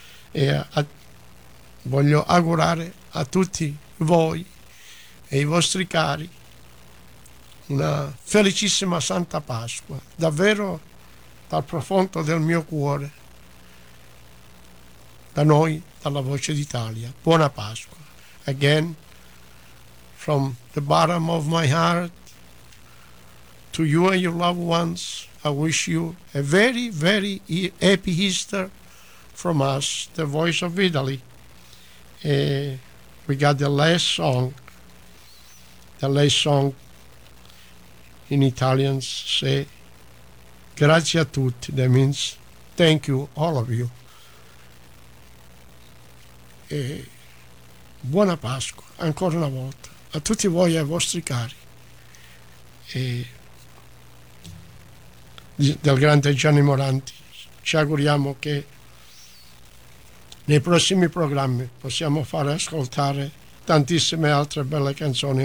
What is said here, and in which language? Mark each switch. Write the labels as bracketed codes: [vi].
[it] E voglio augurare a tutti voi e i vostri cari una felicissima Santa Pasqua, davvero dal profondo del mio cuore, da noi, dalla Voce d'Italia. Buona Pasqua. [en] Again, from the bottom of my heart, to you and your loved ones, I wish you a very, very happy Easter from us, the Voice of Italy. We got the last song in Italian say [it] grazie a tutti, [en] that means thank you, all of you. [it] E buona Pasqua ancora una volta a tutti voi e ai vostri cari, e del grande Gianni Morandi. Ci auguriamo che nei prossimi programmi possiamo fare ascoltare tantissime altre belle canzoni.